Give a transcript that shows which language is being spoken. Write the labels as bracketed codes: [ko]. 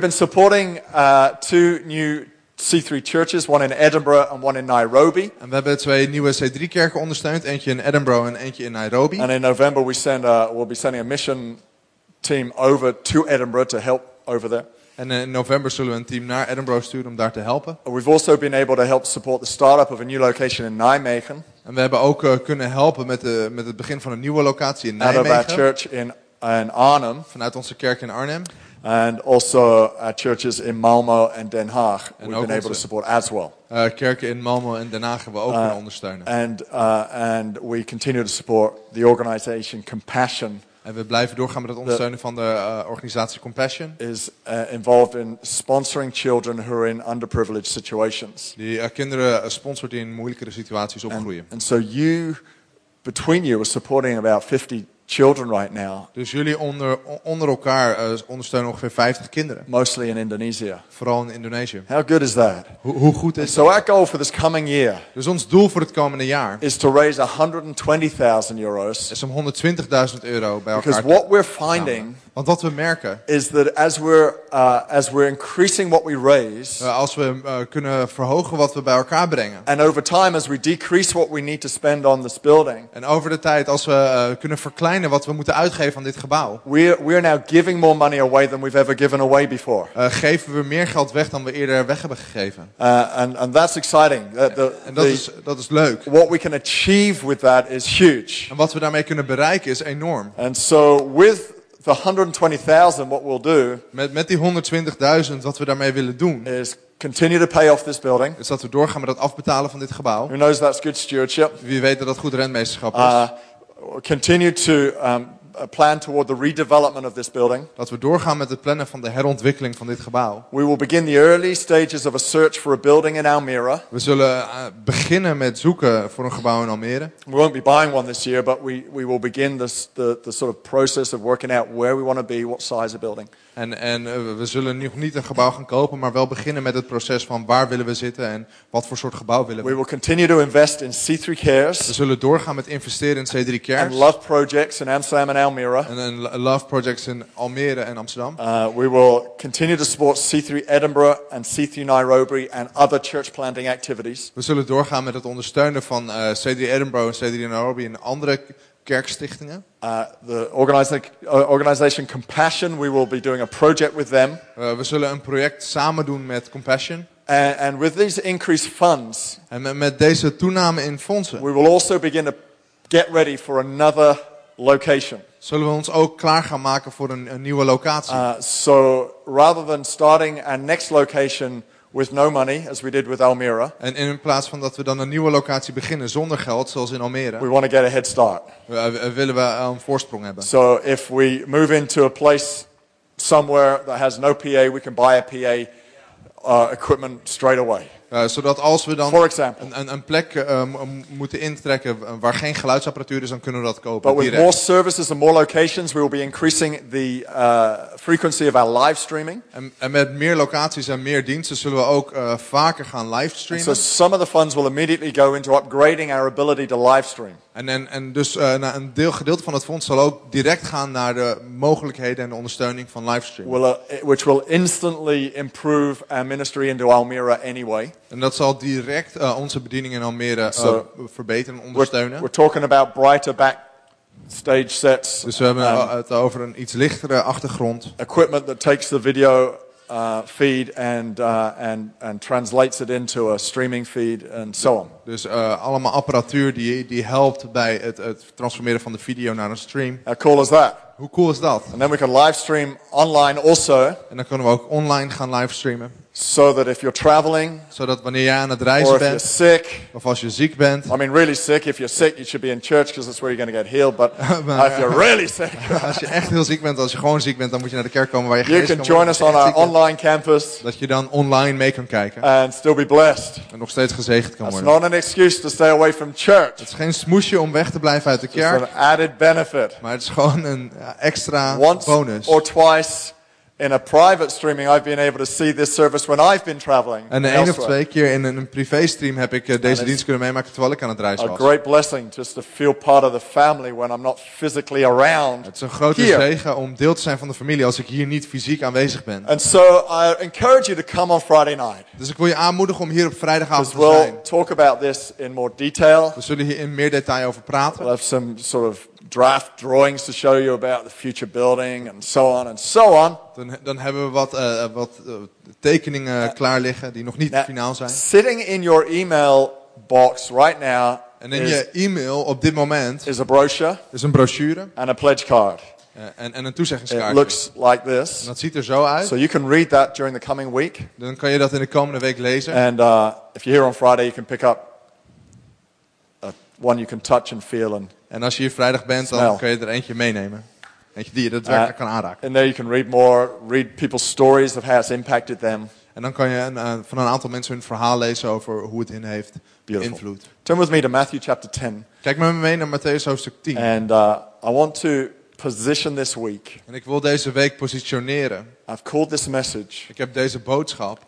[en] been supporting two new C3 churches, one in Edinburgh and one in Nairobi. [nl] En we hebben twee nieuwe C3 kerken ondersteund, eentje in Edinburgh en eentje in Nairobi. [en] And in November we'll be sending a mission team over to Edinburgh to help over there. [nl] En in november zullen we een team naar Edinburgh sturen om daar te helpen. [en] We've also been able to help support the startup of a new location in Nijmegen. [nl] En we hebben ook kunnen helpen met het begin van een nieuwe locatie in Nijmegen. [en] Out of our church in Arnhem. [nl] Vanuit onze kerk in Arnhem. [en] And also our churches in Malmö and Den Haag. [nl] En [en] we've been able to support as well. [nl] Kerken in Malmö en Den Haag hebben we ook kunnen ondersteunen. [en] And we continue to support the organization Compassion. [nl] En we blijven doorgaan met het ondersteunen van de organisatie Compassion. [en] Is involved in sponsoring children who are in underprivileged situations. [nl] Die kinderen sponsort die in moeilijkere situaties opgroeien. [en] And so you, between you, are supporting about 50 children right now. [nl] Dus jullie onder elkaar ondersteunen ongeveer 50 kinderen. [en] Mostly in Indonesia. [nl] Vooral in Indonesië. [en] How good is that? [nl] Hoe goed is dat? [en] So our goal for this coming year. [nl] Dus ons doel voor het komende jaar. [en] Is to raise 120,000 euros. [nl] Is om 120.000 euro bij elkaar. [en] Because what we're finding. [nl] Want wat we merken. [en] Is that as we're increasing what we raise. [nl] Als we kunnen verhogen wat we bij elkaar brengen. [en] And over time as we decrease what we need to spend on this building. [nl] En over de tijd als we kunnen verkleinen wat we moeten uitgeven aan dit gebouw. [en] We are now giving more money away than we've ever given away before. [nl] Geven we meer geld weg dan we eerder weg hebben gegeven. [en] And that's exciting. [nl] Dat is leuk. [en] What we can achieve with that is huge. [nl] En wat we daarmee kunnen bereiken is enorm. [en] And so with the 120,000 what we'll do. [nl] Met die 120.000 wat we daarmee willen doen. [en] Is continue to pay off this building. [nl] Is dat we doorgaan met het afbetalen van dit gebouw. [en] Who knows that's good stewardship. [nl] Wie weet dat goed rentmeesterschap is. [en] Continue to plan toward the redevelopment of this building. [nl] Dat we doorgaan met het plannen van de herontwikkeling van dit gebouw. [en] We will begin the early stages of a search for a building in Almere. [nl] We zullen beginnen met zoeken voor een gebouw in Almere. [en] We won't be buying one this year, but we will begin this the sort of process of working out where we want to be, what size of building. [nl] En we zullen nog niet een gebouw gaan kopen, maar wel beginnen met het proces van waar willen we zitten en wat voor soort gebouw willen we. [en] We will continue to invest in C3 Cares. [nl] We zullen doorgaan met investeren in C3 Cares. [en] And love projects in Amsterdam and Almere. And then love projects in Almere and Amsterdam. We will continue to support C3 Edinburgh and C3 Nairobi and other church planting activities. [nl] We zullen doorgaan met het ondersteunen van C3 Edinburgh en C3 Nairobi en andere kerkstichtingen. [en] The organization Compassion, we will be doing a project with them. [nl] We zullen een project samen doen met Compassion. [en] And with these increased funds. [nl] En met deze toename in fondsen. [en] We will also begin to get ready for another location. [nl] Zullen we ons ook klaar gaan maken voor een nieuwe locatie? [en] So rather than starting our next location with no money, as we did with Almere. [nl] En in plaats van dat we dan een nieuwe locatie beginnen zonder geld, zoals in Almere. [en] We want to get a head start. [nl] Willen we een voorsprong hebben. [en] So if we move into a place somewhere that has no PA, we can buy a PA equipment straight away. [nl] Zodat als we dan een plek moeten intrekken waar geen geluidsapparatuur is, dan kunnen we dat kopen. [en] But with more services and more locations, we will be increasing the frequency of our live streaming. [nl] En met meer locaties en meer diensten zullen we ook vaker gaan live streamen. [en] And so some of the funds will immediately go into upgrading our ability to live stream. [nl] En dus een gedeelte van het fonds zal ook direct gaan naar de mogelijkheden en de ondersteuning van livestream. [en] Which will instantly improve our ministry into Almere anyway. [nl] En dat zal direct onze bediening in Almere verbeteren en ondersteunen. [en] We're talking about brighter backstage sets. [nl] Dus we hebben het over een iets lichtere achtergrond. [en] Equipment that takes the video feed and translates it into a streaming feed and so on. [nl] Dus allemaal apparatuur die helpt bij het transformeren van de video naar een stream. [en] How cool is that? [nl] Hoe cool is dat? [en] And then we can live stream online also. [nl] En dan kunnen we ook online gaan live streamen. [en] So that if you're traveling, [nl] zodat wanneer jij aan het reizen [en] or if [nl] bent, [en] you're sick, [nl] of als je ziek bent, [en] I mean really sick. If you're sick, you should be in church because that's where you're going to get healed. But [nl] maar, [en] if you're really sick, [nl] als je echt heel ziek bent, als je gewoon ziek bent, dan moet je naar de kerk komen waar je geest kan. [en] You can join us on our online campus. [nl] Dat je dan online mee kan kijken. [en] And still be blessed. [nl] En nog steeds gezegend kan [en] that's [nl] worden. [en] It's not an excuse to stay away from church. [nl] Het is geen smoesje om weg te blijven uit de [en] it's [nl] kerk. [en] It's an added benefit. [nl] Maar het is gewoon een extra [en] once [nl] bonus. [en] Or twice. In a private streaming, I've been able to see this service when I've been traveling. [nl] En één of twee keer in een privé stream heb ik deze dienst kunnen meemaken terwijl ik aan het reizen was. [en] A great blessing just to feel part of the family when I'm not physically around. [nl] Het is een grote zegen om deel te zijn van de familie als ik hier niet fysiek aanwezig ben. [en] And so I encourage you to come on Friday night. [nl] Dus ik wil je aanmoedigen om hier op vrijdagavond te zijn. [en] We'll talk about this in more detail. [nl] We zullen hier in meer detail over praten. [en] We'll have some sort of draft drawings to show you about the future building and so on and so on. [nl] Dan hebben we wat tekeningen klaar liggen die nog niet finaal zijn. [en] Sitting in your email box right now. [nl] En in je email op dit moment [en] is a brochure. [nl] Is een brochure. [en] And a pledge card. [nl] En een toezeggingskaartje. [en] It looks like this. [nl] En dat ziet er zo uit. [en] So you can read that during the coming week. [nl] Dan kan je dat in de komende week lezen. [en] And if you're here on Friday, you can pick up one you can touch and feel and. [nl] En als je hier vrijdag bent, dan kun je er eentje meenemen. Eentje die je daadwerkelijk kan aanraken. [en] And there you can read more, read people's stories of how it's impacted them. [nl] En dan kan je van een aantal mensen hun verhaal lezen over hoe het hen heeft beïnvloed. [en] Turn with me to Matthew chapter 10. [nl] Kijk met me mee naar Matthäus hoofdstuk 10. [en] And I want to position this week. [nl] En ik wil deze week positioneren. [en] I've called this message. [nl] Ik heb deze boodschap.